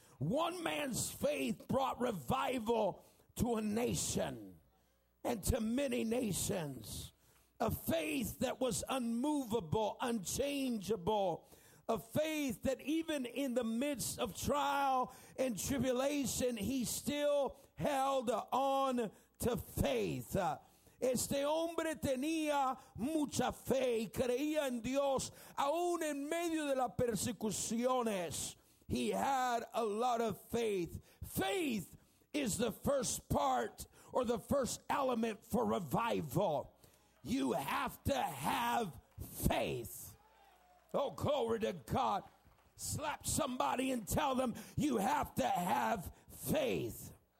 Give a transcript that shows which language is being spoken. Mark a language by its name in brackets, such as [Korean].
[English] One man's faith brought revival to a nation and to many nations. A faith that was unmovable, unchangeable, of faith that even in the midst of trial and tribulation, he still held on to faith. [Spanish] Este hombre tenía mucha fe y creía en Dios aún en medio de las persecuciones. [English] He had a lot of faith. Faith is the first part or the first element for revival. You have to have faith. Oh, glory to God. Slap somebody and tell them you have to have faith.